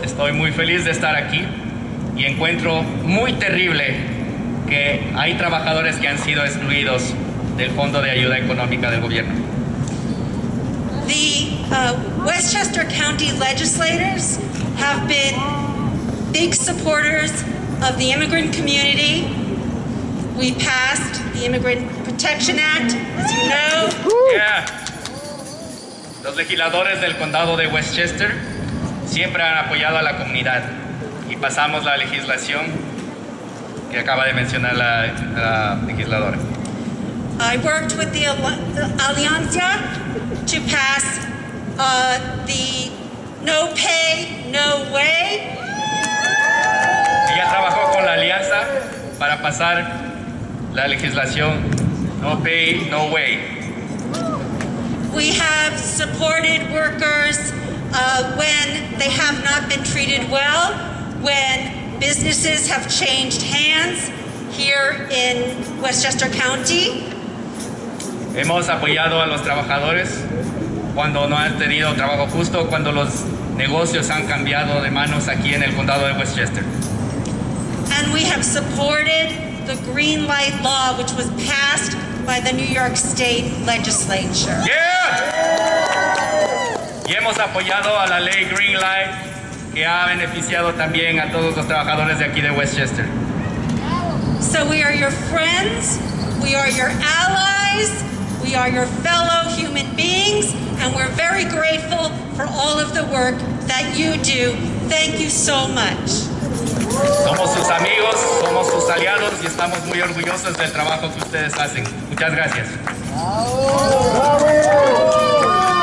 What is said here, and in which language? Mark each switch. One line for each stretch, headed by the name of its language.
Spanish: Estoy muy feliz de estar aquí y encuentro muy terrible que hay trabajadores que han sido excluidos del Fondo de Ayuda Económica del Gobierno.
English: The Westchester County legislators have been big supporters of the immigrant community. We passed the Immigrant Protection Act, as you know. Yeah.
Spanish: Los legisladores del condado de Westchester siempre han apoyado a la comunidad y pasamos la legislación que acaba de mencionar la legisladora.
English: I worked with the Alianza to pass the No Pay, No Way.
Spanish: Ella trabajó con la Alianza para pasar la legislación No Pay, No Way.
English: We have supported workers when they have not been treated well, when businesses have changed hands here in Westchester County.
Spanish: Hemos apoyado a los trabajadores cuando no han tenido trabajo justo, cuando los negocios han cambiado de manos aquí en el condado de Westchester.
English: And we have supported the green light law, which was passed by the New York State Legislature.
Spanish: Yeah! Y hemos apoyado a la ley Green Light que ha beneficiado también a todos los trabajadores de aquí de Westchester.
English: So we are your friends, we are your allies, we are your fellow human beings, and we're very grateful for all of the work that you do. Thank you so much.
Spanish: Somos sus amigos, somos sus aliados y estamos muy orgullosos del trabajo que ustedes hacen. Muchas gracias. ¡Bravo!